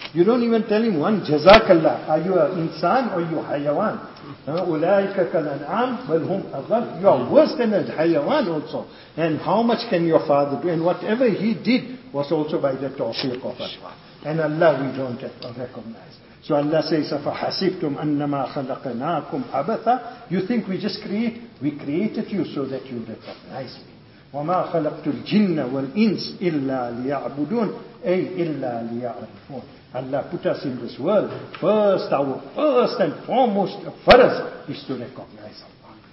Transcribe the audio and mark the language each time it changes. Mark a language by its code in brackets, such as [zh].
[en] You don't even tell him one, Jazakallah. Are you an insan or are you a hayawan? [ar] Ulaika kal an'am wal hum adall. [en] You are worse than a hayawan also. And how much can your father do? And whatever he did was also by the tawfiq of Allah. And Allah we don't recognize. So Allah says, [ar] أَفَحَسِبْتُمْ أَنَّمَا خَلَقْنَاكُمْ عَبَثًا. [en] You think we just create? We created you so that you recognize me. [ar] وَمَا خَلَقْتُ الْجِنَّ وَالْإِنسِ إِلَّا لِيَعْبُدُونَ أي إِلَّا لِيَعْرِفُونَ. [en] Allah put us in this world. First, our first and foremost faraz is to recognize Allah.